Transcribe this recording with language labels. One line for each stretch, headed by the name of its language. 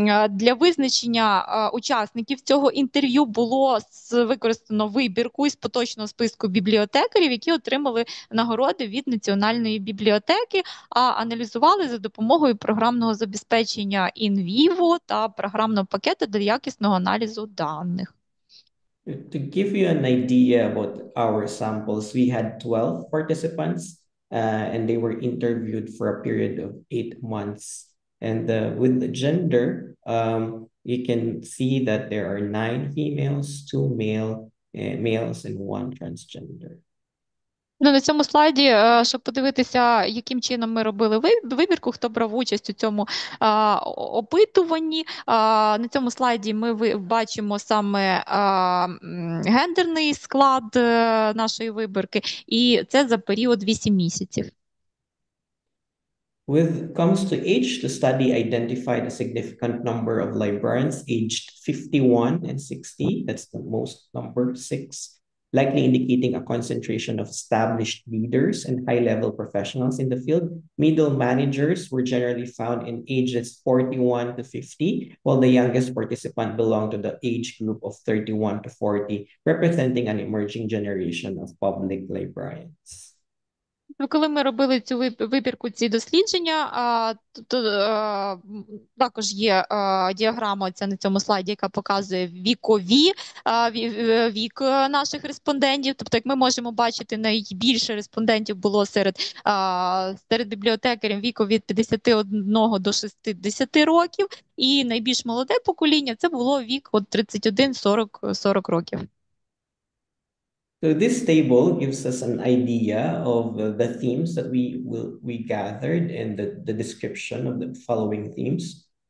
Ukrainian: Для визначення учасників цього інтерв'ю було використано вибірку із поточного списку бібліотекарів, які отримали нагороди від Національної бібліотеки, а аналізували за допомогою програмного забезпечення in vivo та програмного пакету для якісного аналізу даних.
English: To give you an idea about our samples, we had 12 participants and they were interviewed for a period of 8 months. And with the gender, you can see that there are 9 females, 2 males, and 1 transgender.
Ukrainian: Ну, на цьому слайді, щоб подивитися, яким чином ми робили вибірку, хто брав участь у цьому опитуванні. На цьому слайді ми бачимо саме гендерний склад нашої вибірки, і це за період 8 місяців.
English: With comes to age, the study identified a significant number of librarians aged 51 and 60, that's the most number, six, likely indicating a concentration of established leaders and high-level professionals in the field. Middle managers were generally found in ages 41 to 50, while the youngest participant belonged to the age group of 31 to 40, representing an emerging generation of public librarians.
Ukrainian: Коли ми робили цю вибірку, ці дослідження, то також є діаграма ця на цьому слайді, яка показує вікові вік наших респондентів. Тобто, як ми можемо бачити, найбільше респондентів було серед бібліотекарів віку від 51 до 60 років, і найбільш молоде покоління це було вік от 31-40 років.
English: So this table gives us an idea of the themes that we gathered and the description of the following themes.